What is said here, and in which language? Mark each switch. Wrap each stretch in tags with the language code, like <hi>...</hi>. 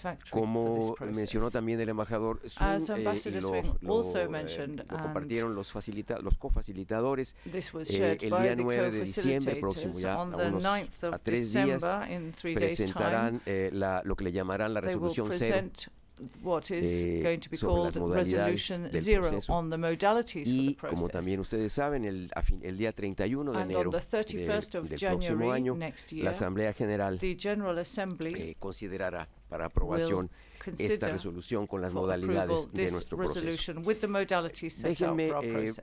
<es>Como mencionó también el embajador Swing, lo compartieron los cofacilitadores, el día 9 de diciembre próximo, ya a tres días, presentarán lo que le llamarán la resolución cero,</es> <en>what is going to be called resolution zero on the modalities</en> <es>y,</es> <en>for the process.</en> <es>Como también ustedes saben, el día 31 de enero del próximo año, la Asamblea General,</es> <en>the General Assembly,</en> <es>considerará para aprobación esta resolución con las modalidades de nuestro proceso. Déjenme</es>